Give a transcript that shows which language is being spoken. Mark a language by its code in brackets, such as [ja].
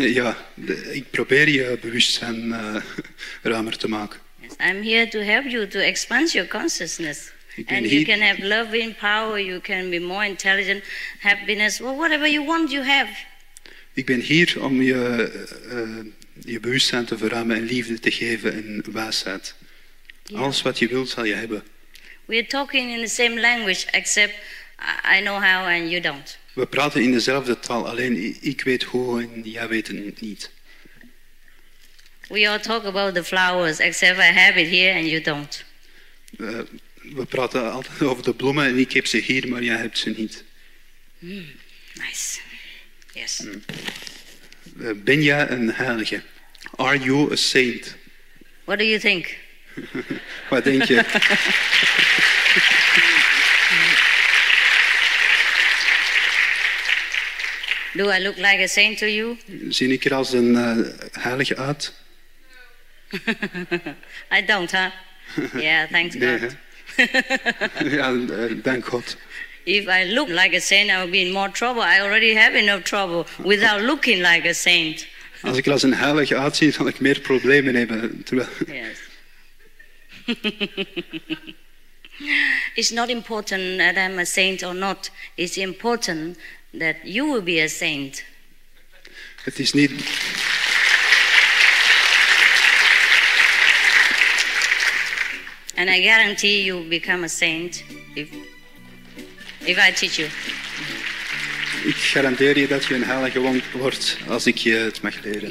[nl] Ja, ik probeer je bewustzijn ruimer te maken. [en] Yes, I'm here to help you to expand your consciousness. You can have loving power, you can be more intelligent, happiness, well, whatever you want, you have. [nl] Ik ben hier om je je bewustzijn te verruimen en liefde te geven en wijsheid. Yeah. Alles wat je wilt, zal je hebben. [en] We are talking in the same language, except I know how and you don't. [nl] We praten in dezelfde taal, alleen ik weet hoe en jij weet het niet. [en] We all talk about the flowers, except I have it here and you don't. [nl] We praten altijd over de bloemen en ik heb ze hier, maar jij hebt ze niet. [en] Nice. Yes. [nl] Ben jij een heilige? [en] Are you a saint? What do you think? [nl] Wat denk je? [en] Do I look like a saint to you? [nl] Zie ik er als een heilige uit? [en] I don't, huh? Yeah, thanks [nl] nee, [en] God. [nl] Ja, dank God. [en] If I look like a saint, I will be in more trouble. I already have enough trouble without looking like a saint. [nl] Als ik er als een heilige uitzie, zal ik meer problemen hebben. [en] Yes. It's not important that I'm a saint or not. It's important that you will be a saint. [nl] Het is niet... [en] And I guarantee you become a saint if I teach you. [nl] Ik garandeer je dat je een heilige wordt als ik je het mag leren.